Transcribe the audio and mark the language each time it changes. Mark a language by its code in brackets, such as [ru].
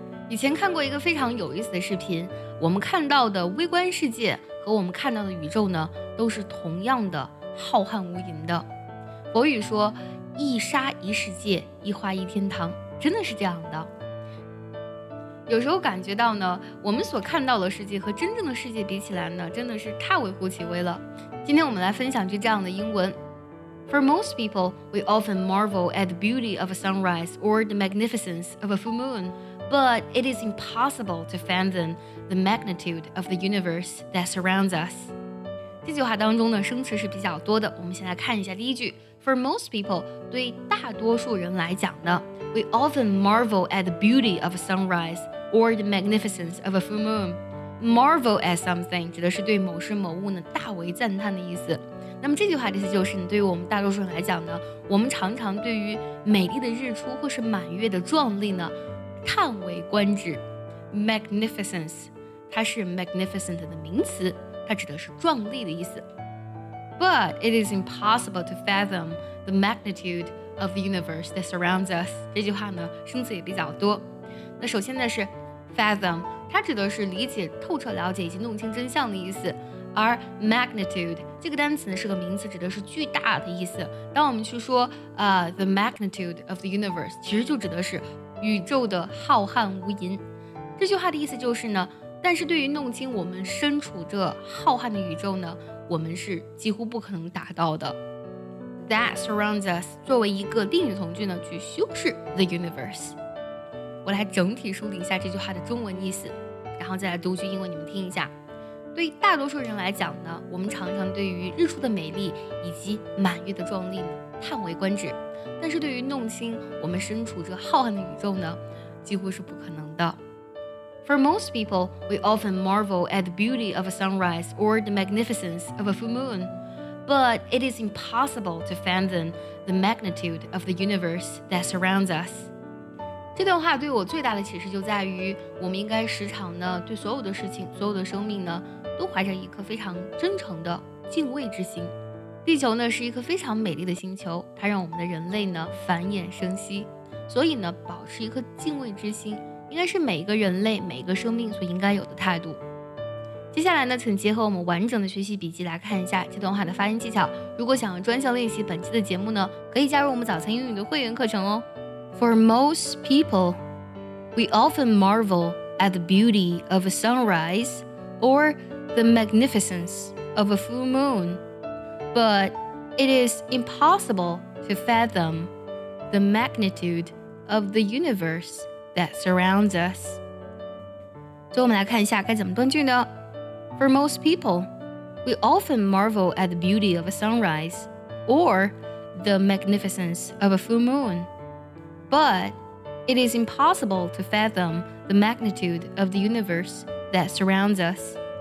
[zh] 以前看过一个非常有意思的视频，我们看到的微观世界和我们看到的宇宙呢，都是同样的浩瀚无垠的。佛语说，一沙一世界，一花一天堂，真的是这样的。有时候感觉到呢，我们所看到的世界和真正的世界比起来呢，真的是太微乎其微了。今天我们来分享句这样的英文。 [en] For most people, we often marvel at the beauty of a sunrise or the magnificence of a full moon. But it is impossible to fathom the magnitude of the universe that surrounds us. [zh] 这句话当中的生词是比较多的，我们先来看一下第一句。 [en] For most people, [zh] 对大多数人来讲呢 [en] we often marvel at the beauty of a sunrise or the magnificence of a full moon. Marvel at something [zh] 指的是对某事某物呢大为赞叹的意思。那么这句话的意思就是，对于我们大多数人来讲呢，我们常常对于美丽的日出或是满月的壮丽呢叹为观止 Magnificence 它是 magnificent 的名词，它指的是壮丽的意思。 [en] But it is impossible to fathom the magnitude of the universe that surrounds us. [zh] 这句话呢生词也比较多。那首先呢是 fathom， 它指的是理解、透彻了解以及弄清真相的意思。而 magnitude 这个单词呢是个名词，指的是巨大的意思。当我们去说 [en] the magnitude of the universe， [zh] 其实就指的是宇宙的浩瀚无垠。这句话的意思就是呢，但是对于弄清我们身处这浩瀚的宇宙呢，我们是几乎不可能达到的。 [en] That surrounds us [zh] 作为一个定语从句呢去修饰 [en] the universe。 [zh] 我来整体梳理一下这句话的中文意思，然后再来读句英文，你们听一下。对大多数人来讲呢，我们常常对于日出的美丽以及满月的壮丽呢叹为观止，但是对于弄清我们身处这浩瀚的宇宙呢，几乎是不可能的。 [en] For most people, we often marvel at the beauty of a sunrise or the magnificence of a full moon, but it is impossible to fathom the magnitude of the universe that surrounds us. [zh] 这段话对我最大的启示就在于，我们应该时常呢对所有的事情、所有的生命呢都怀着一颗非常真诚的敬畏之心。地球呢是一颗非常美丽的星球，它让我们的人类呢繁衍生息，所以呢保持一颗敬畏之心应该是每一个人类每一个生命所应该有的态度。接下来呢请结合我们完整的学习笔记来看一下这段话的发音技巧。如果想要专项练习本期的节目呢，可以加入我们早餐英语的会员课程哦。 [en] For most people, we often marvel at the beauty of a sunrise or the magnificence of a full moonBut it is impossible to fathom the magnitude of the universe that surrounds us. [zh] 最后我们来看一下该怎么断句呢？ [en] For most people, we often marvel at the beauty of a sunrise or the magnificence of a full moon. But it is impossible to fathom the magnitude of the universe that surrounds us.